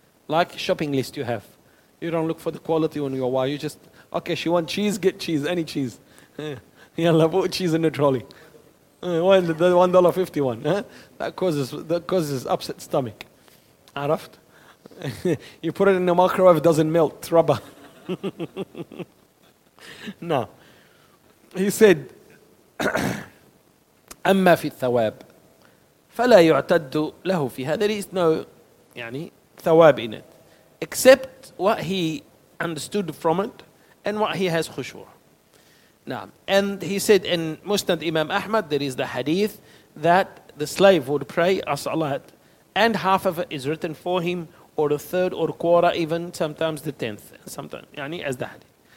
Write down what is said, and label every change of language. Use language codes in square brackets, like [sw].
[en] Like shopping list you have. You don't look for the quality when you're wild. You just, okay, she wants cheese, get cheese, any cheese. Yalla, put cheese in the trolley. The $1.51. That causes upset stomach. Araft? You put it in the microwave, it doesn't melt. It's rubber. No. He said, [ar] أما في الثواب فلا يعتد له فيها. [en] There is no يعني ثواب in it. Except what he understood from it and what he has خشوع. Now, and he said in Musnad Imam Ahmad, there is the hadith that the slave would pray a salat and half of it is written for him, or a third or quarter, even sometimes the tenth, sometimes, يعني as the hadith.